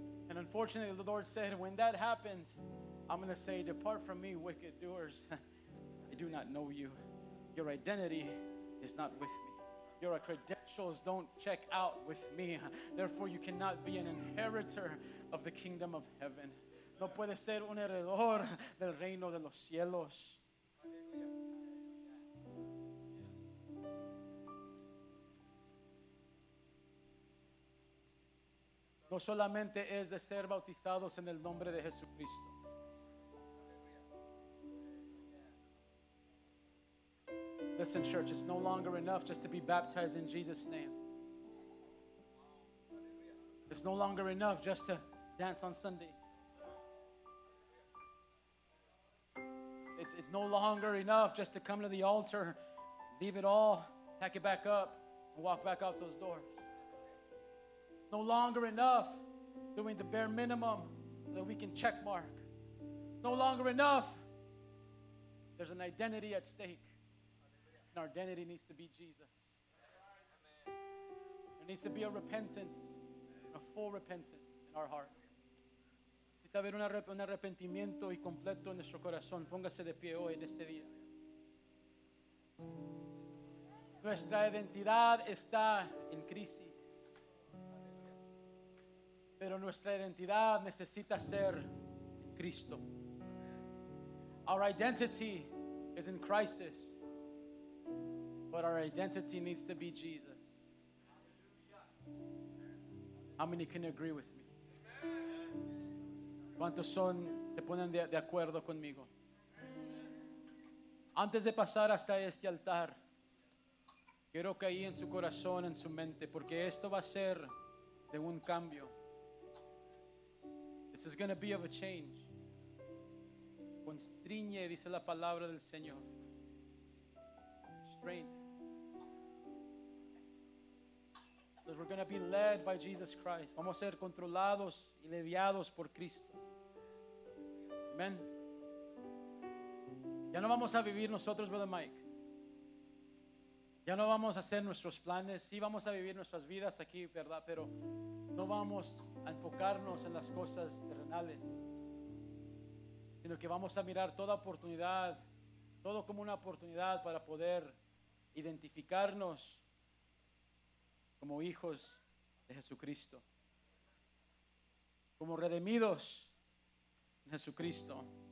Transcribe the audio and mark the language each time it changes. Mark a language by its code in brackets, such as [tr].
[en] And unfortunately, the Lord said, when that happens, I'm going to say, depart from me, wicked doers. I do not know you. Your identity is not with me. Your credentials don't check out with me. Therefore, you cannot be an inheritor of the kingdom of heaven. [es] No puede ser un heredor del reino de los cielos. No solamente es de ser bautizados en el nombre de Jesucristo. [en] Listen, church, it's no longer enough just to be baptized in Jesus' name. It's no longer enough just to dance on Sunday. It's no longer enough just to come to the altar, leave it all, pack it back up, and walk back out those doors. It's no longer enough doing the bare minimum that we can check mark. It's no longer enough. There's an identity at stake. And our identity needs to be Jesus. There needs to be a repentance, a full repentance in our heart. [es] Necesita haber un arrepentimiento y completo en nuestro corazón. Póngase de pie hoy en este día. Nuestra identidad está en crisis. Pero nuestra identidad necesita ser en Cristo. [en] Our identity is in crisis, but our identity needs to be Jesus. How many can agree with me? [es] ¿Cuántos son se ponen de acuerdo conmigo? Antes de pasar hasta este altar, quiero que ahí en su corazón, en su mente, porque esto va a ser de un cambio. [en] This is going to be of a change. [es] Constriñe, dice la palabra del Señor. [en] Strength. Because we're going to be led by Jesus Christ. [es] Vamos a ser controlados y lidiados por Cristo. Amen. Ya no vamos a vivir nosotros, Brother Mike. Ya no vamos a hacer nuestros planes. Sí vamos a vivir nuestras vidas aquí, ¿verdad? Pero no vamos a enfocarnos en las cosas terrenales, sino que vamos a mirar toda oportunidad, todo como una oportunidad para poder identificarnos como hijos de Jesucristo, como redimidos en Jesucristo.